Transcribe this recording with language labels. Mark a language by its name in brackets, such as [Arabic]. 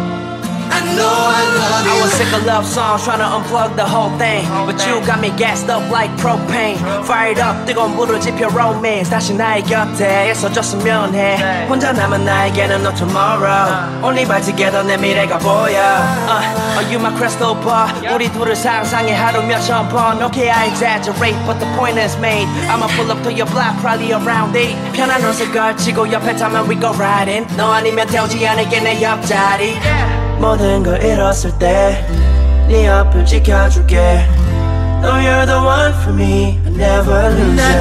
[English] like a love song, tryna unplug the whole thing. But you got me gassed up like propane. Fired up, [Korean] 뜨거운 불을 지펴 [English] romance. [Korean] 다시 나의 곁에 있어줬으면 해. 혼자 남은 나에게는 [English] no tomorrow. Only by together [Korean] 내 미래가 보여. [English] Are you my crystal ball? [Korean] 우리 둘을 상상해 하루 몇천 번. [English] Okay, I exaggerate, but the point is made. I'ma pull up to your block, probably around 8. [Korean] 편한 옷을 걸치고 옆에 타면 [English] we go riding. [Korean] 너 아니면 태우지 않을게 내 옆자리. 모든 걸 잃었을 때 네 옆을 지켜줄게. [English] No, you're the one for me. I never lose you.